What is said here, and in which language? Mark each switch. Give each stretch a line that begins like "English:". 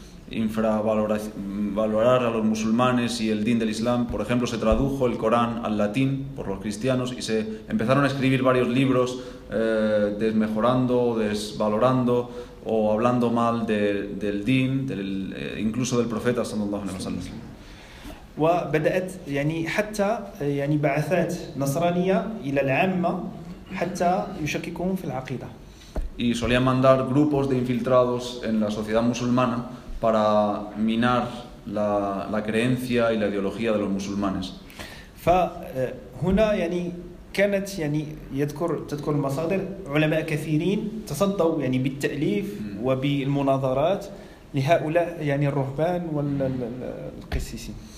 Spanish: infravalorar a los musulmanes y el din del Islam. Por ejemplo, se tradujo el Corán al latín por los cristianos y se empezaron a escribir varios libros desmejorando, desvalorando o hablando mal del din, incluso del profeta sallallahu alaihi wasallam.
Arabic: وبدات يعني حتى يعني بعثات نصرانيه الى العامه حتى يشككون في العقيده.
Spanish: Y solían mandar grupos de infiltrados en la sociedad musulmana para minar la creencia y la ideología de los musulmanes.
Arabic: فهنا يعني كانت يعني تذكر المصادر علماء كثيرين تصدوا يعني بالتاليف وبالمناظرات لهؤلاء يعني الرهبان والقسيسين.